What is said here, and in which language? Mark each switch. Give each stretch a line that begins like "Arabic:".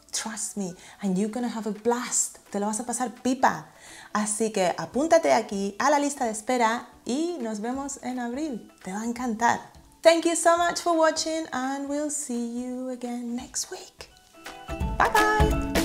English: Trust me, and you're gonna have a blast.
Spanish: Te lo vas a pasar pipa. Así que apúntate aquí a la lista de espera y nos vemos en abril. Te va a encantar.
English: Thank you so much for watching and we'll see you again next week. Bye bye!